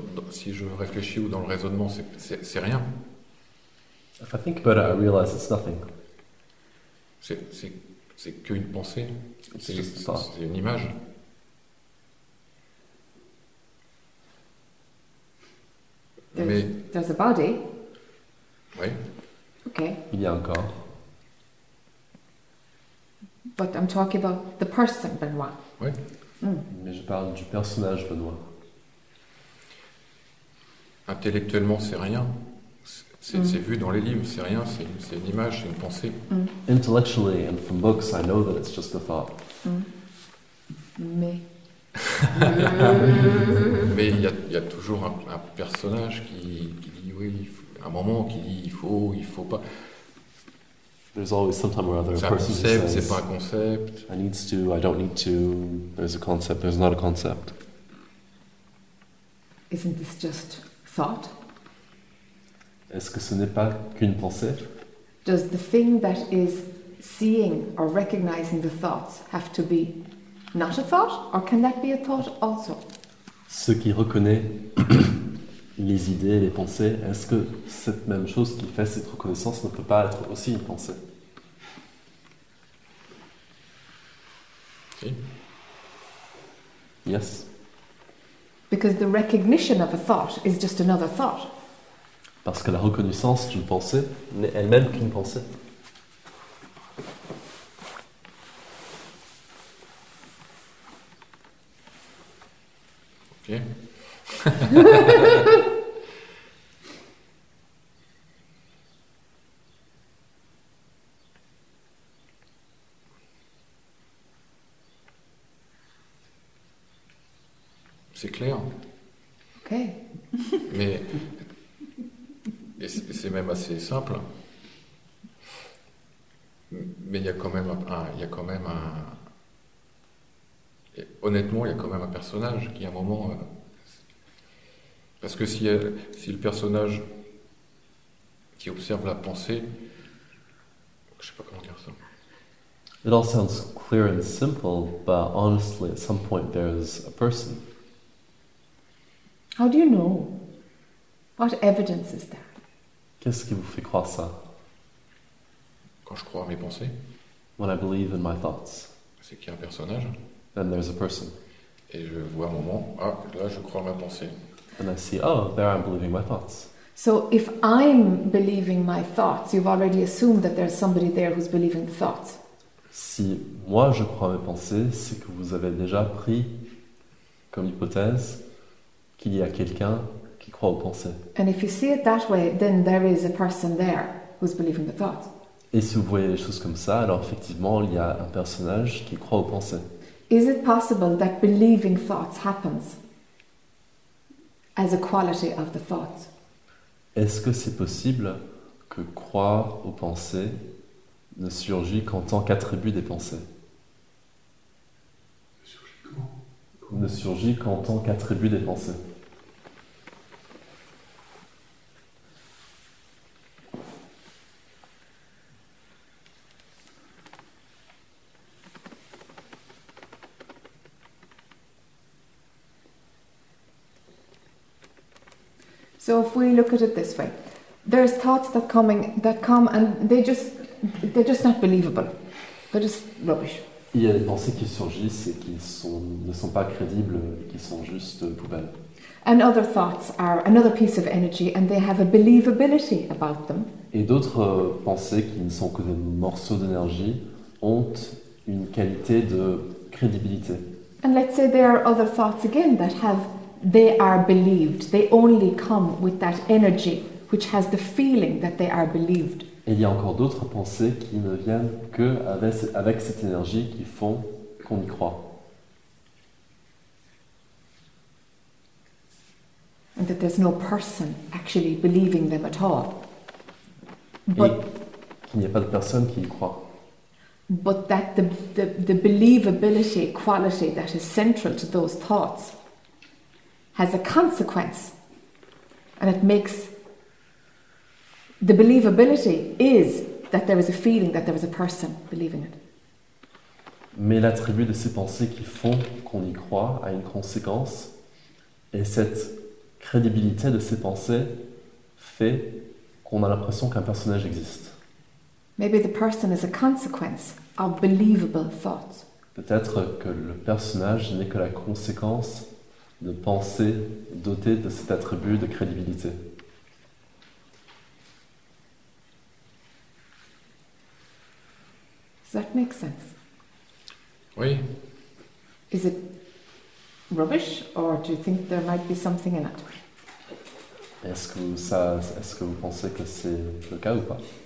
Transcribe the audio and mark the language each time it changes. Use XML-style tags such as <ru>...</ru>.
<fr>Si je réfléchis ou dans le raisonnement, c'est rien.</fr> <en>If I think about it, I realize it's nothing.</en> <fr>C'est qu'une pensée. C'est une image.</fr> <en>There's a body.</en> <fr>Oui.</fr> <en>Okay.</en> <fr>Il y a un corps.</fr> <en>But I'm talking about the person, Benoît.</en> <fr>Oui. Mais je parle du personnage, Benoît. Intellectuellement, c'est rien. C'est vu dans les livres, c'est rien. C'est une image, c'est une pensée.</fr> <en>Intellectually and from books, I know that it's just a thought.</en> <fr>Mais. Mais il y a toujours un personnage qui dit oui, un moment qui dit il faut pas.</fr> <en>There's always sometime or other a person who says.</en> <fr>C'est pas un concept.</fr> <en>I need to. I don't need to. There's a concept. There's not a concept. Isn't this just thought?</en> <fr>Est-ce que ce n'est pas qu'une pensée?</fr> <en>Does the thing that is seeing or recognizing the thoughts have to be not a thought, or can that be a thought also?</en> <fr>Ce qui reconnaît les idées, les pensées, est-ce que cette même chose qui fait cette reconnaissance ne peut pas être aussi une pensée? Si.</fr> <en>Yes. Because the recognition of a thought is just another thought.</en> <fr>Parce que la reconnaissance d'une pensée n'est elle-même qu'une pensée. Ok. C'est clair. Ok. Mais... C'est même assez simple, mais il y a quand même un personnage qui à un moment, parce que si le personnage qui observe la pensée, je sais pas comment dire ça.</fr> <en>It all sounds clear and simple, but honestly, at some point there's a person. How do you know? What evidence is there?</en> <fr>Qu'est-ce qui vous fait croire ça? Quand je crois à mes pensées.</fr> <en>When I believe in my thoughts.</en> <fr>C'est qu'il y a un personnage.</fr> <en>Then there's a person.</en> <fr>Et je vois un moment, ah, là je crois à ma pensée.</fr> <en>And I see, oh, there I'm believing my thoughts. So if I'm believing my thoughts, you've already assumed that there's somebody there who's believing the thoughts.</en> <fr>Si moi je crois à mes pensées, c'est que vous avez déjà pris comme hypothèse qu'il y a quelqu'un.</fr> <en>And if you see it that way, then there is a person there who's believing the thought.</en> <fr>Et si vous voyez les choses comme ça, alors effectivement, il y a un personnage qui croit aux pensées.</fr> <en>Is it possible that believing thoughts happens as a quality of the thought?</en> <fr>Est-ce que c'est possible que croire aux pensées ne surgit qu'en tant qu'attribut des pensées? Ne surgit qu'en tant qu'attribut des pensées.</fr> <en>So if we look at it this way, there's thoughts that come and they just they're just not believable. They're just rubbish.</en> <fr>Il y a des pensées qui surgissent et qui ne sont pas crédibles, qui sont juste poubelles.</fr> <en>And other thoughts are another piece of energy, and they have a believability about them.</en> <fr>Et d'autres pensées qui ne sont que des morceaux d'énergie ont une qualité de crédibilité.</fr> <en>And let's say there are other thoughts again that have, they are believed. They only come with that energy, which has the feeling that they are believed.</en> <fr>Et il y a encore d'autres pensées qui ne viennent que avec cette énergie qui font qu'on y croit.</fr> <en>And that there's no person actually believing them at all.</en> <fr>But, et qu'il n'y a pas de personne qui y croit.</fr> <en>But that the believability quality that is central to those thoughts has a consequence, and it makes the believability is that there is a feeling that there is a person believing it.</en> <fr>Mais l'attribut de ces pensées qui font qu'on y croit a une conséquence, et cette crédibilité de ces pensées fait qu'on a l'impression qu'un personnage existe.</fr> <en>Maybe the person is a consequence of believable thoughts.</en> <fr>Peut-être que le personnage n'est que la conséquence de pensées dotées de cet attribut de crédibilité.</fr> <en>Does that make sense?</en> <fr>Oui.</fr> <en>Is it rubbish, or do you think there might be something in it?</en> <fr>Est-ce que vous pensez que c'est le cas ou pas?</fr>